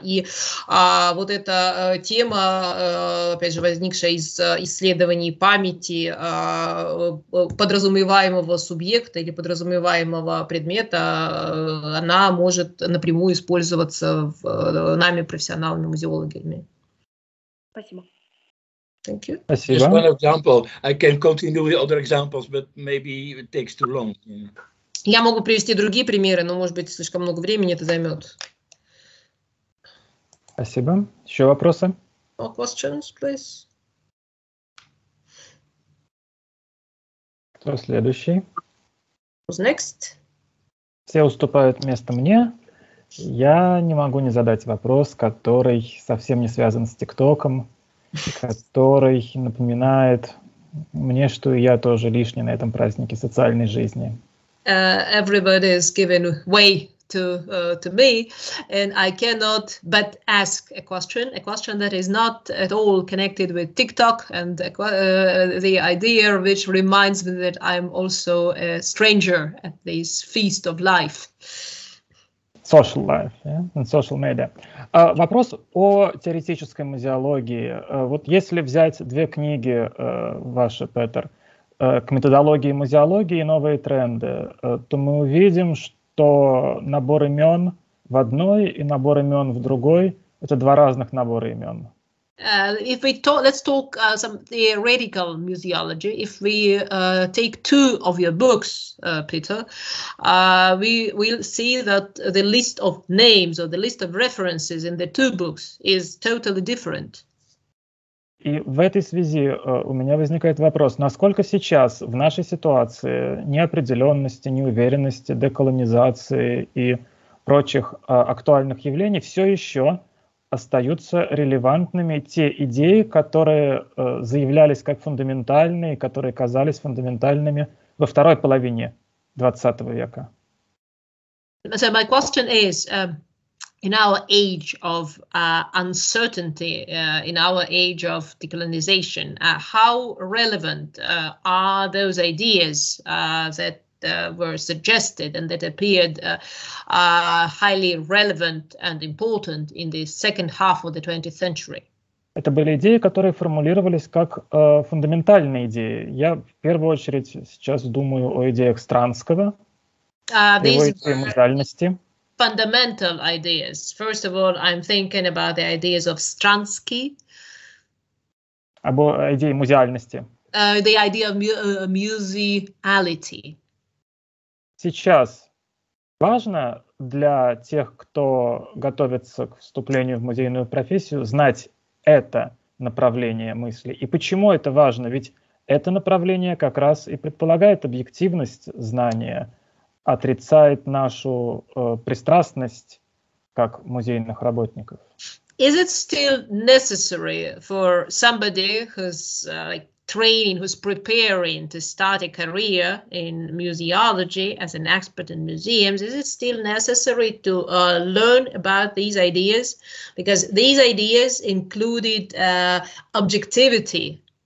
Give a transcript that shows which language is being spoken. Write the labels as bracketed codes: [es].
[ru] И вот эта тема, опять же, возникшая из исследований памяти подразумеваемого субъекта или подразумеваемого предмета, она может напрямую использоваться нами, профессиональными музеологами. Спасибо. [en] Thank you. Just one example. I can continue with other examples, but maybe it takes too long. [ru] Я могу привести другие примеры, но, может быть, слишком много времени это займет. Спасибо. Еще вопросы? [en] More questions, please. [ru] Кто следующий? [en] Who's next? [ru] Все уступают место мне. Я не могу не задать вопрос, который совсем не связан с ТикТоком, который напоминает мне, что я тоже лишний на этом празднике социальной жизни. [en] Everybody is giving way to me, and I cannot but ask a question that is not at all connected with TikTok and the idea which reminds me that I'm also a stranger at this feast of life. Social life, yeah? And social media. [ru] Вопрос о теоретической музеологии. Вот если взять две книги ваши, Петер, к методологии музеологии и новые тренды, то мы увидим, что набор имен в одной и набор имен в другой — это два разных набора имен. [en] If we talk, let's talk some theoretical museology. If we take two of your books, Peter, we will see that the list of names or the list of references in the two books is totally different. [ru] И в этой связи у меня возникает вопрос: насколько сейчас в нашей ситуации неопределенности, неуверенности, деколонизации и прочих актуальных явлений все еще остаются релевантными те идеи, которые заявлялись как фундаментальные, которые казались фундаментальными во второй половине 20 века. [en] So my question is, in our age of uncertainty, in our age of decolonization, how relevant are those ideas that were suggested and that appeared highly relevant and important in the second half of the 20th century. [ru] Это были идеи, которые формулировались как фундаментальные идеи. Я в первую очередь сейчас думаю о идеях Странского, его идеи музеальности. [en] Fundamental ideas. First of all, I'm thinking about the ideas of Stransky. [ru] Об идеи музеальности. [en] The idea of museality. [ru] Сейчас важно для тех, кто готовится к вступлению в музейную профессию, знать это направление мысли. И почему это важно? Ведь это направление как раз и предполагает объективность знания, отрицает нашу пристрастность как музейных работников. [en] Is it still necessary for somebody who's training, who's preparing to start a career in museology as an expert in museums, is it still necessary to learn about these ideas? Because these ideas included objectivity,